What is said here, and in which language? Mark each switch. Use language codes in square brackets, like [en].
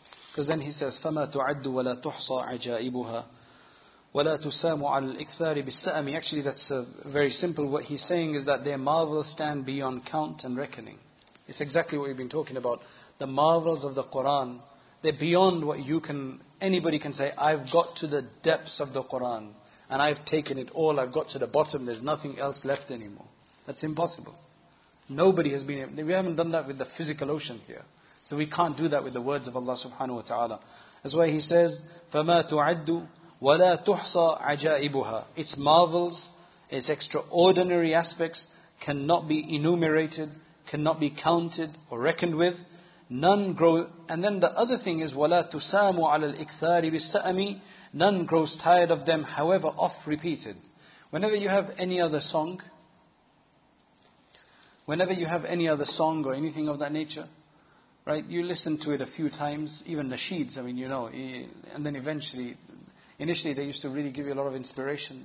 [en] Because then he says, [ar] فَمَا تُعَدُّ وَلَا تُحْصَى عَجَائِبُهَا وَلَا تُسَامُ عَلَى الْإِكْثَارِ بِالسَّأَمِ. [en] Actually, that's very simple. What he's saying is that their marvels stand beyond count and reckoning. It's exactly what we've been talking about. The marvels of the Qur'an, they're beyond what anybody can say, I've got to the depths of the Qur'an, and I've taken it all, I've got to the bottom, there's nothing else left anymore. That's impossible. Nobody has been able, we haven't done that with the physical ocean here. So we can't do that with the words of Allah subhanahu wa ta'ala. That's why he says, [ar] فَمَا تُعَدُّ وَلَا تُحْصَى عَجَائِبُهَا. [en] Its marvels, its extraordinary aspects cannot be enumerated, cannot be counted or reckoned with. None grow. And then the other thing is, [ar] وَلَا تُسَامُ عَلَى الْإِكْثَارِ بِالسَّأَمِ. [en] None grows tired of them, however oft-repeated. Whenever you have any other song, or anything of that nature, right, you listen to it a few times, even nasheeds, I mean, you know, and then eventually, initially they used to really give you a lot of inspiration.